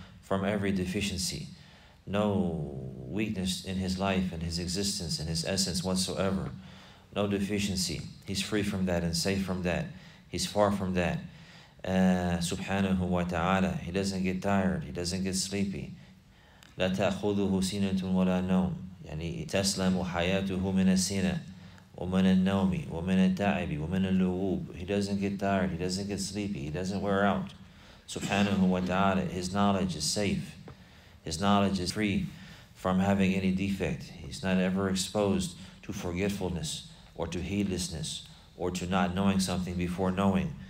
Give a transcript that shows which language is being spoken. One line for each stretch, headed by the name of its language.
English: From every deficiency, no weakness in his life and his existence and his essence whatsoever, no deficiency. He's free from that and safe from that. He's far from that. Subhanahu wa ta'ala, he doesn't get tired, he doesn't get sleepy.
Arabic: لا تأخذه سنة ولا نوم. يعني تسلم حياته من السنة ومن النوم ومن التعب ومن اللغوب.
English: He doesn't get tired, he doesn't get sleepy, he doesn't wear out. Subhanahu wa ta'ala, his knowledge is safe. His knowledge is free from having any defect. He's not ever exposed to forgetfulness or to heedlessness or to not knowing something before knowing.